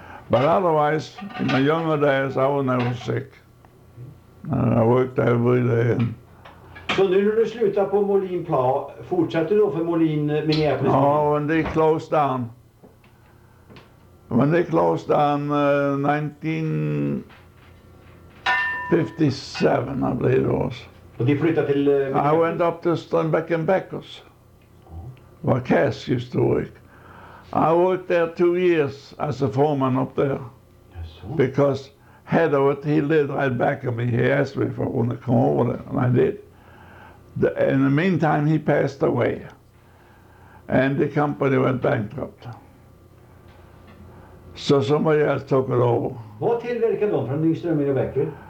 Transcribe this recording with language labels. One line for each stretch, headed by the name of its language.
English: But otherwise, in my younger days, I was never sick. I worked every day.
Swedish: Så nu när du slutar på Molin Plan, fortsätter du då för Molin Minneapolis?
English: Oh, and they closed down. When they closed down 1957, I believe it was.
Swedish: Och de flyttade till
English: I went up to Strindbeck & Beckers, where Cass used to work. I worked there 2 years as a foreman up there. Yes, because head of it, he lived right back of me. He asked me if I wanted to come over there, and I did. In the meantime, he passed away, and the company went bankrupt. So somebody else took it over.
Swedish: What tillverkade de från Nyström & Beckers?